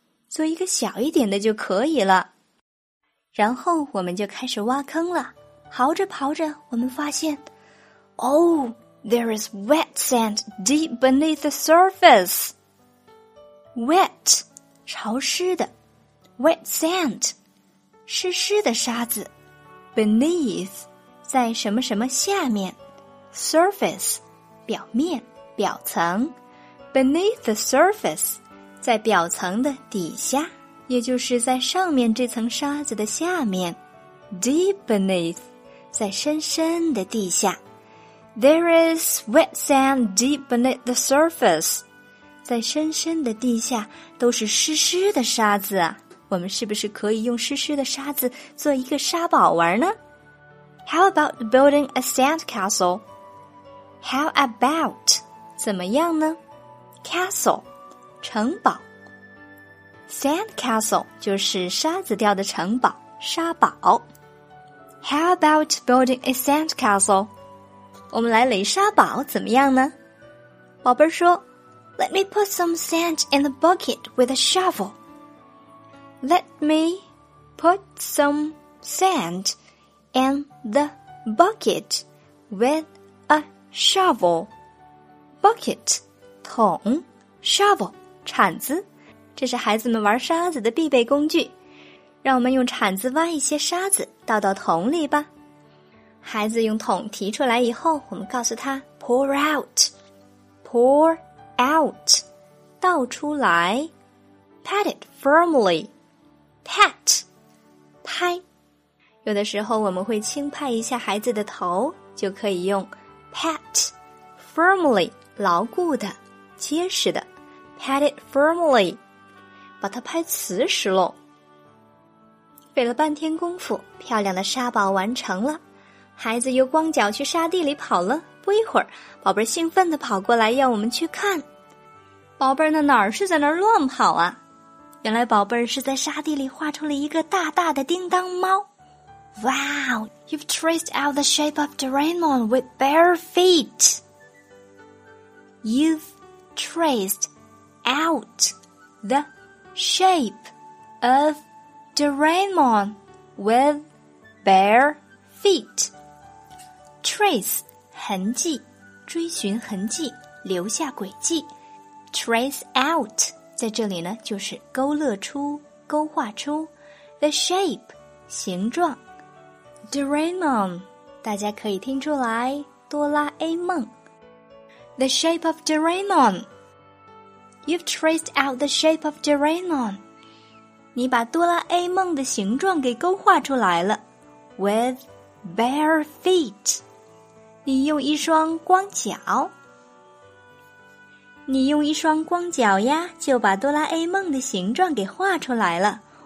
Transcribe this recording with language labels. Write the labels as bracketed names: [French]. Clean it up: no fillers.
[Chinese] 做一个小一点的就可以了。然后我们就开始挖坑了。刨着刨着我们发现 Oh, [English] there is wet sand deep beneath the surface. [Chinese] Wet, 潮湿的。 [English] Wet sand, [Chinese] 湿湿的沙子。Beneath, 在什么什么下面。 [English] Surface, [Chinese] 表面表层。 [English] Beneath the surface, [Chinese] 在表层的底下，也就是在上面这层沙子的下面。 [English] Deep beneath, [Chinese] 在深深的地下。 [English] There is wet sand deep beneath the surface. [Chinese] 在深深的地下都是湿湿的沙子啊。我们是不是可以用湿湿的沙子做一个沙堡玩呢？ [English] How about building a sand castle? [Chinese] How about? 怎么样呢？Castle, 城堡。 Sand castle, 就是沙子雕的城堡，沙堡。 [English] How about building a sand castle? [Chinese] 我们来垒沙堡怎么样呢？宝贝儿说 [English] Let me put some sand in the bucket with a shovel. Let me put some sand in the bucket with a shovel. Bucket. [Chinese] 桶 ,shovel, 铲子。这是孩子们玩沙子的必备工具。让我们用铲子挖一些沙子倒到桶里吧。孩子用桶提出来以后我们告诉他 [English] pour out, pour out, 倒出来。 Pat it firmly, [Chinese] pat, 拍。有的时候我们会轻拍一下孩子的头就可以用 pat, [English] firmly, [Chinese] 牢固的。结实的 [English] Pat it firmly [Chinese] 把它拍瓷实了费了半天功夫漂亮的沙堡完成了孩子又光脚去沙地里跑了不一会儿宝贝兴奋地跑过来要我们去看宝贝那哪儿是在那儿乱跑啊原来宝贝是在沙地里画出了一个大大的叮当猫 [English] Wow, you've traced out the shape of Doraemon with bare feet You've traced out the shape of Doraemon with bare feet. [Chinese] Trace, 痕迹,追寻痕迹,留下轨迹。 Trace out, 在这里呢,就是勾勒出,勾画出 the shape, 形状。 [English] Doraemon, [Chinese] 大家可以听出来,哆啦 A 梦。 [English] The shape of Doraemon,You've traced out the shape of Doraemon. [Chinese] 你把哆啦 A 梦的形状给勾画出来了。 [English] With bare feet. [Chinese] 你用一双光脚。你用一双光脚呀就把哆啦 A 梦的形状给画出来了。